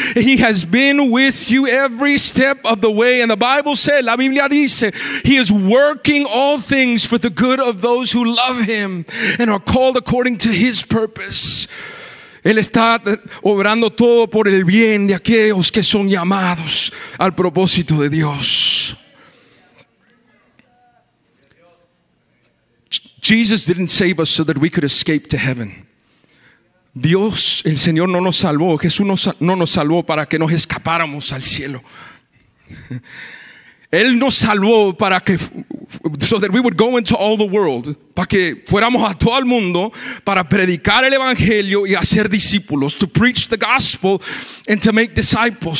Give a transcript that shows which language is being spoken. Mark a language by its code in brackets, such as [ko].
[en] He has been with you every step of the way. And the Bible said, [es] la Biblia dice, [en] he is working all things for the good of those who love him and are called according to his purpose. [es] Él está obrando todo por el bien de aquellos que son llamados al propósito de Dios. [en] Jesus didn't save us so that we could escape to heaven. [es] Dios, el Señor no nos salvó. Jesús no nos salvó para que nos escapáramos al cielo. Él nos salvó para que, [en] so that we would go into all the world, [es] para que fuéramos a todo el mundo para predicar el evangelio y hacer discípulos, [en] to preach the gospel and to make disciples.